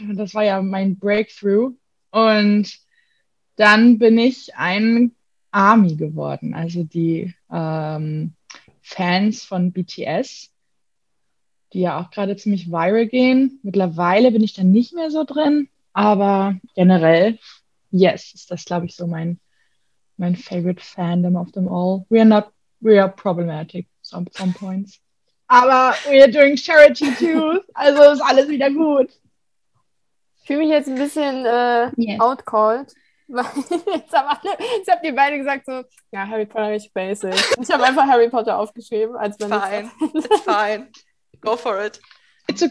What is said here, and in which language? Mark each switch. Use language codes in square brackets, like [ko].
[de] Und das war ja mein Breakthrough. Und dann bin ich ein Army geworden, also die Fans von BTS, die ja auch gerade ziemlich viral gehen. Mittlerweile bin ich da nicht mehr so drin, aber generell, yes, ist das, glaube ich, so mein [en] favorite fandom of them all. We are problematic some points. [de] Aber [en] we are doing charity too, [de] also ist alles wieder gut. Fühle mich jetzt ein bisschen [en] Yes. [de] outcalled, weil jetzt haben alle, jetzt habt ihr beide gesagt so, ja, Harry Potter ist basic. Und ich habe einfach Harry Potter aufgeschrieben, als wenn nichts anderes. [en] it's fine. Go for it. It's Man